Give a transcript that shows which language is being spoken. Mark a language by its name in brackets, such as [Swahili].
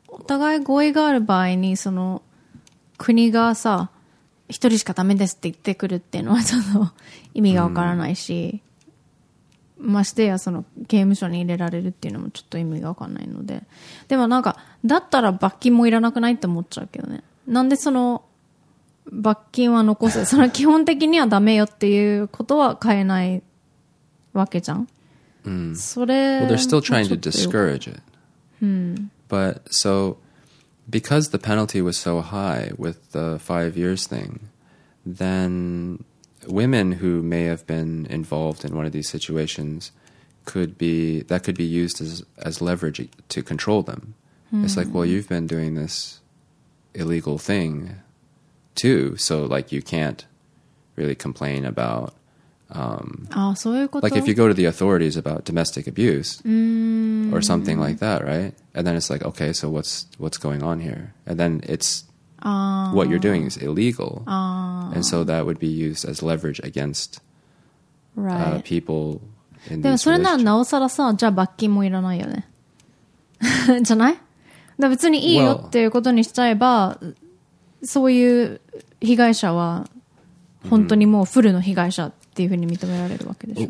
[Japanese] お互い合意がある場合にその国がさ一人しかダメですって言ってくるっていうのはその意味がわからないし、うん、ましてやその刑務所に入れられるっていうのもちょっと意味がわからないのででもなんかだったら罰金もいらなくないって思っちゃうけどねなんでその罰金は残すその基本的にはダメよっていうことは変えないわけじゃん、うん、それ [English] Well, they're still trying to discourage it、うん、 But soBecause the penalty was so high with the 5 years thing, then women who may have been involved in one of these situations could be used as leverage to control them.、Mm. It's like, well, you've been doing this illegal thing too, so like you can't really complain about... [Japanese] そういうこと? [English] Like if you go to the authorities about domestic abuse、 mm. or something like that, right? And then it's like, okay, so what's going on here? And then it's what you're doing is illegal. And so that would be used as leverage against right. People in situations. [Japanese] でもそれならなおさらさ、じゃあ罰金もいらないよね。じゃない? だ別にいいよっていうことにしちゃえば、そういう被害者は本当にもうフルの被害者っていうふうに認められるわけでしょ。